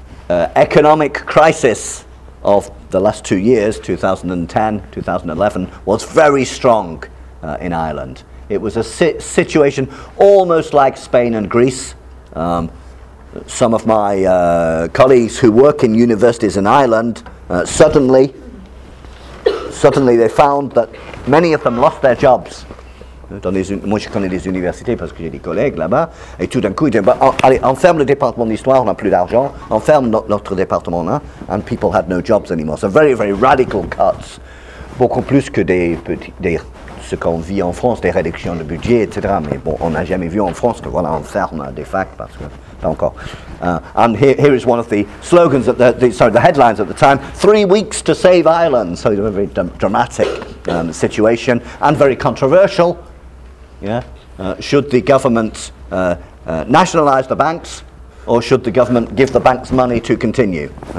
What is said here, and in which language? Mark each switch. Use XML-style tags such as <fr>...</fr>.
<en>Economic crisis of the last 2 years, 2010, 2011, was very strong in Ireland. It was a situation almost like Spain and Greece. Some of my colleagues who work in universities in Ireland, suddenly they found that many of them lost their jobs.</en> <fr>Moi, je connais les universités parce que j'ai des collègues là-bas. Et tout d'un coup, ils disent, allez, on ferme le département d'histoire, on n'a plus d'argent. On ferme notre département, là.</fr> <en>And people had no jobs anymore. So very, very radical cuts.</en> <fr>Beaucoup plus que ce qu'on vit en France, des réductions de budget, etc. Mais bon, on n'a jamais vu en France que voilà, on ferme des facs parce que</fr> <en>Don't call. And here is one of the slogans, the headlines at the time, 3 weeks to save Ireland. So a very dramatic situation and very controversial. Yeah. Should the government nationalise the banks, or should the government give the banks money to continue?</en>